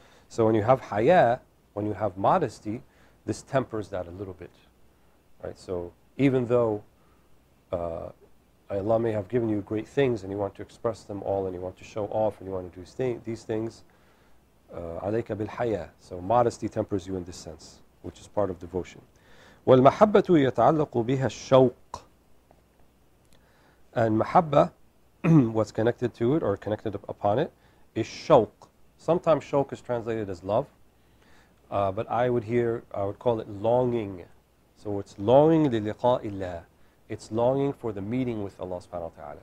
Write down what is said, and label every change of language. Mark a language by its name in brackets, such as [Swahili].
[English] So when you have haya, when you have modesty, this tempers that a little bit, right? So even though Allah may have given you great things and you want to express them all and you want to show off and you want to do these things, [Arabic] عليك بالحياة. [English] So modesty tempers you in this sense, which is part of devotion. [Arabic] والمحبة يتعلق بها الشوق. [English] And محبة, what's connected to it or connected upon it, is شوق. Sometimes شوق is translated as love, but I would call it longing. So it's longing [Arabic] للقاء الله. [English] It's longing for the meeting with Allah subhanahu wa ta'ala.